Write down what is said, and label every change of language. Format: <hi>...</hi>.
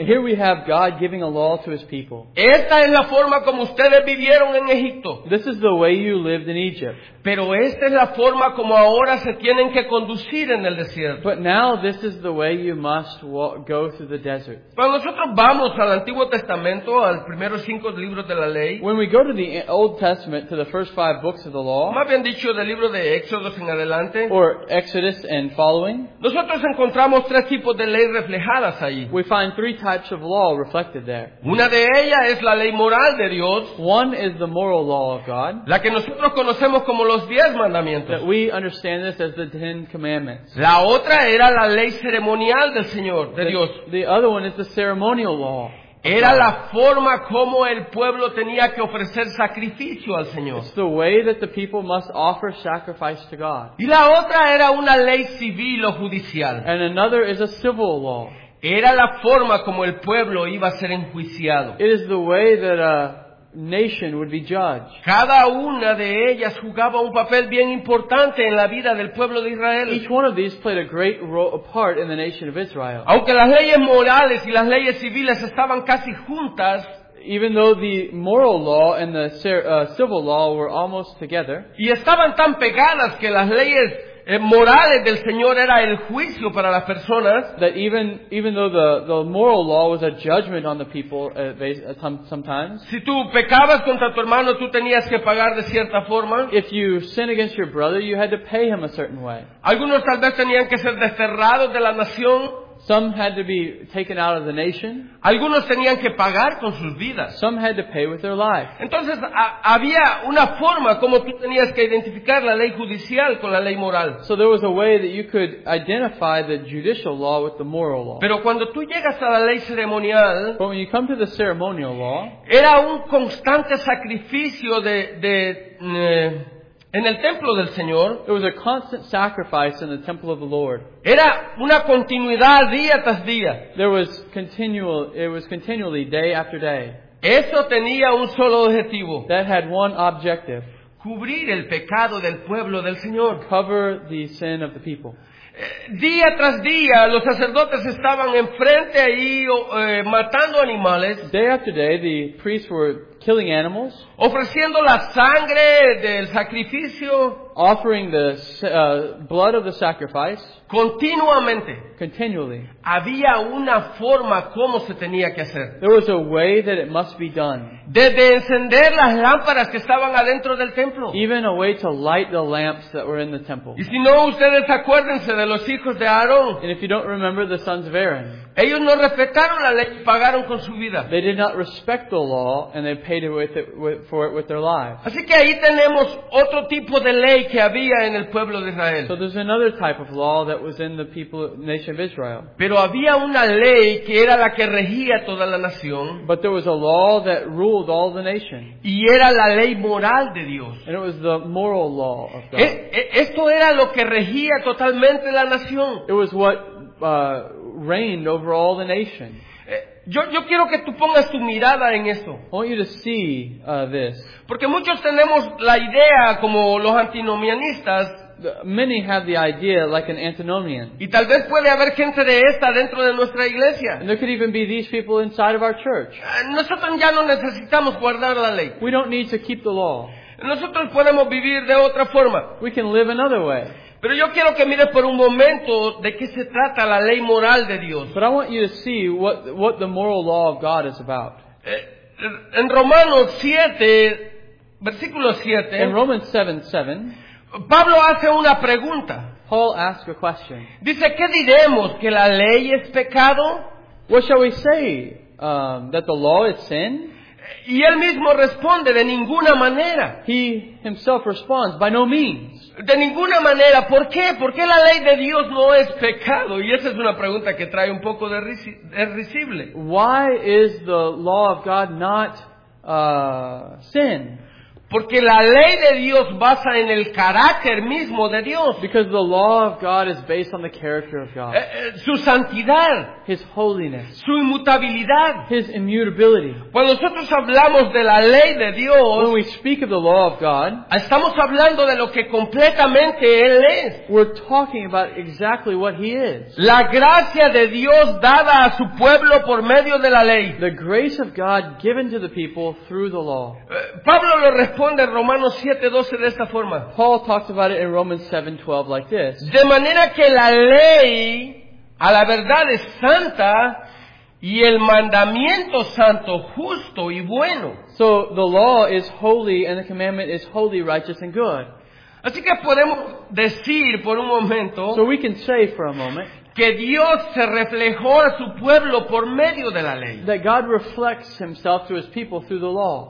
<en>Here we have God giving a law to his people.</en> <es>Esta es la forma como ustedes vivieron en Egipto.</es> <en>This is the way you lived in Egypt.</en> <es>Pero esta es la forma como ahora se tienen que conducir en el desierto.</es> <en>But now this is the way you must go through the desert.</en> <es>Cuando nosotros vamos al Antiguo Testamento, al primero cinco libros de la ley,</es> <en>when we go to the Old Testament, to the first five books of the law,</en> <es>más bien dicho del libro de Éxodos en adelante,</es> <en>or Exodus and following,</en> <es>nosotros encontramos tres tipos de ley reflejadas ahí.</es> <en>We find three types of law reflected there.</en> <es>Una de ellas es la ley moral de Dios.</es> <en>One is the moral law of God.</en> <es>La que nosotros conocemos como los diez mandamientos.</es> <en>That we understand this as the Ten Commandments.</en> <es>La otra era la ley ceremonial del Señor, de Dios.</es> <en>The other one is the ceremonial law.</en> <es>Era la forma como el pueblo tenía que ofrecer sacrificio al Señor.</es> <en>It's the way that the people must offer sacrifice to God.</en> <es>Y la otra era una ley civil o judicial.</es> <en>And another is a civil law.</en> <es>Era la forma como el pueblo iba a ser enjuiciado.</es> <en>It is the way that a nation would be judged.</en> <es>Cada una de ellas jugaba un papel bien importante en la vida del pueblo de Israel.</es> <en>Each one of these played a great role, a part in the nation of Israel.</en> <es>Aunque las leyes morales y las leyes civiles estaban casi juntas,</es> <en>even though the moral law and the civil law were almost together,</en> <es>y estaban tan pegadas que las leyes morales del Señor era el juicio para las personas,</es> <en>that even though the moral law was a judgment on the people sometimes,</en> <es>si tú pecabas contra tu hermano tú tenías que pagar de cierta forma,</es> <en>if you sin against your brother you had to pay him a certain way,</en> <es>algunos tal vez tenían que ser desterrados de la nación,</es> <en>some had to be taken out of the nation,</en> <es>algunos tenían que pagar con sus vidas,</es> <en>some had to pay with their lives.</en> <es>Entonces había una forma como tú tenías que identificar la ley judicial con la ley moral.</es> <en>So there was a way that you could identify the judicial law with the moral law.</en> <es>Pero cuando tú llegas a la ley ceremonial,</es> <en>but when you come to the ceremonial law,</en> <es>era un constante sacrificio en el templo del Señor,</es> <en>there was a constant sacrifice in the temple of the Lord.</en> <es>Era una continuidad día tras día.</es> <en>There was continual, it was continually day after day.</en> <es>Eso tenía un solo objetivo.</es> <en>That had one objective.</en> <es>Cubrir el pecado del pueblo del Señor.</es> <en>Cover the sin of the people.</en> <es>Día tras día, los sacerdotes estaban enfrente ahí matando animales.</es> <en>Day after day, the priests were killing animals,</en> <es>ofreciendo la sangre del sacrificio,</es> <en>offering the blood of the sacrifice,</en> <es>continuamente,</es> <en>continually.</en> <es>Había una forma como se tenía que hacer.</es> <en>There was a way that it must be done.</en> <es>Desde encender las lámparas que estaban adentro del templo,</es> <en>even a way to light the lamps that were in the temple.</en> <es>Y si no, ustedes acuérdense de los hijos de Aarón.</es> <en>And if you don't remember the sons of Aaron,</en> <es>ellos no respetaron la ley y pagaron con su vida.</es> <en>They did not respect the law and they paid for it with their lives.</en> <es>Así que ahí tenemos otro tipo de ley que había en el pueblo de Israel.</es> <en>So there's another type of law that was in the people, nation of Israel.</en> <es>Pero había una ley que era la que regía toda la nación.</es> <en>But there was a law that ruled all the nation.</en> <es>Y era la ley moral de Dios.</es> <en>And it was the moral law of God.</en> <es>Esto era lo que regía totalmente la nación.</es> <en>It was what reigned over all the nation.</en> <es>Yo quiero que tú pongas tu mirada en eso.</es> <en>I want you to see this.</en> <es>Porque muchos tenemos la idea como los antinomianistas.</es> <en>Many have the idea like an antinomian.</en> <es>Y tal vez puede haber gente de esta dentro de nuestra iglesia.</es> <en>And there could even be these people inside of our church.</en> <es>Nosotros ya no necesitamos guardar la ley.</es> <en>We don't need to keep the law.</en> <es>Nosotros podemos vivir de otra forma.</es> <en>We can live another way.</en> <es>Pero yo quiero que mires por un momento de qué se trata la ley moral de Dios.</es> <en>But I want you to see what the moral law of God is about.</en> <es>En Romanos 7, versículo 7.</es> <en>In Romans 7:7.</en> <es>Pablo hace una pregunta.</es> <en>Paul asks a question.</en> <es>Dice, ¿qué diremos? ¿Que la ley es pecado?</es> <en>What shall we say? That the law is sin?</en> <es>Y él mismo responde, de ninguna manera.</es> <en>He himself responds, by no means.</en> <es>De ninguna manera. ¿Por qué? ¿Por qué la ley de Dios no es pecado? Y esa es una pregunta que trae un poco de risible.</es> <en>Why is the law of God not sin?</en> <es>Porque la ley de Dios basa en el carácter mismo de Dios.</es> <en>Because the law of God is based on the character of God.</en> <es>Su santidad.</es> <en>His holiness.</en> <es>Su inmutabilidad.</es> <en>His immutability.</en> <es>Cuando nosotros hablamos de la ley de Dios,</es> <en>when we speak of the law of God,</en> <es>estamos hablando de lo que completamente Él es.</es> <en>We're talking about exactly what He is.</en> <es>La gracia de Dios dada a su pueblo por medio de la ley.</es> <en>The grace of God given to the people through the law.</en> <es>Pablo lo responde Romanos 7:12 de esta forma.</es> <en>Paul talks about it in Romans 7:12 like this.</en> <es>De manera que la ley a la verdad es santa y el mandamiento santo, justo y bueno.</es> <en>So the law is holy and the commandment is holy, righteous and good.</en> <es>Así que podemos decir por un momento,</es> <en>so we can say for a moment,</en> <es>que Dios se reflejó a su pueblo por medio de la ley.</es> <en>That God reflects himself to his people through the law.</en>